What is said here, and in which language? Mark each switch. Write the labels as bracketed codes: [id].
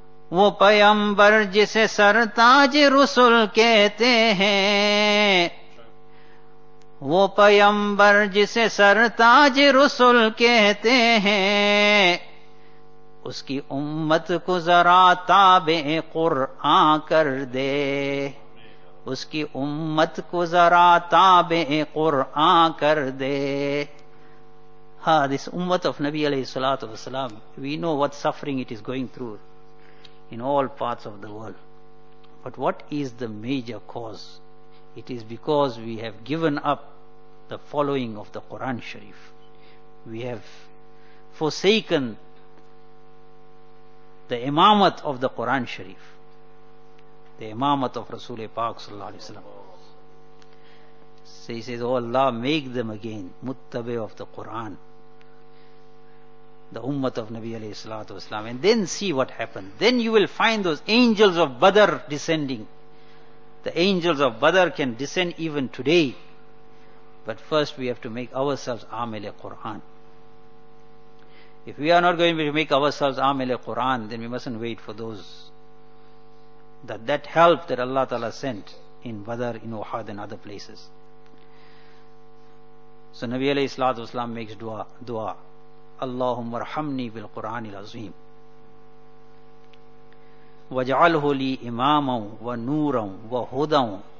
[ur] وہ پیغمبر جسے سرتاج رسل کہتے ہیں وہ پیغمبر جسے سرتاج رسل کہتے ہیں اس کی امت کو ذرا تابع قرآن کر دے اس کی امت کو ذرا تابع قرآن کر دے [en] ہاں this ummat of Nabi alayhi salatu wasalam, we know what suffering it is going through in all parts of the world. But what is the major cause? It is because we have given up the following of the Quran Sharif. We have forsaken the imamat of the Quran Sharif, the imamat of Rasul Pak Sallallahu Alaihi Wasallam. So he says, oh Allah, make them again muttabi of the Quran, the ummat of Nabi alayhi salatu wasalam, and then see what happened. Then you will find those angels of Badr descending. The angels of Badr can descend even today. But first we have to make ourselves amile Quran. If we are not going to make ourselves amile Quran, then we mustn't wait for those. That help that Allah Ta'ala sent in Badr, in Uhud and other places. So Nabi alayhi salatu wasalam makes dua. [ar] اللهم ارحمني بالقرآن العظيم واجعله لي إماما ونورا وهدى.